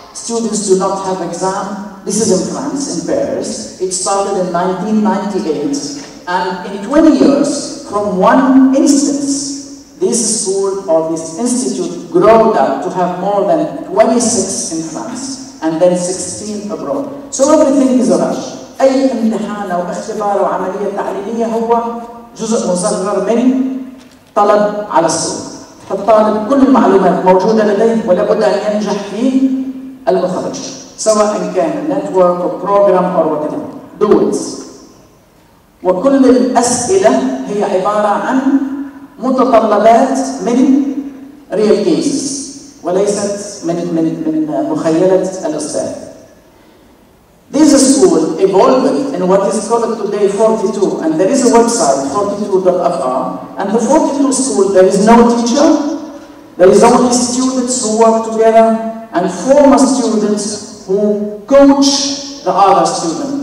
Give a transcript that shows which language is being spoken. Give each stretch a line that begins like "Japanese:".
English: Students do not have exam. This is in France, in Paris. It started in 1998. And in 20 years, from one instance, this school or this institute grew up to have more than 26 in France, and then 16 abroad. So everything is a rush.
Arabic: أي امتحان أو اختبار أو عملية تعليمية هو جزء مصغر من طلب على السوق. فالطالب كل المعلومات موجودة لديه ولابد أن ينجح في المخرج. سواء كان
English: network or program or whatever. Do it.
Arabic: وكل الأسئلة هي عبارة عن متطلبات من
English: real cases
Arabic: وليست من مخيلة الأستاذ.
English: This school evolved in what is called today 42, and there is a website, 42.fr, and the 42 school, there is no teacher, there is only students who work together, and former students who coach the other student.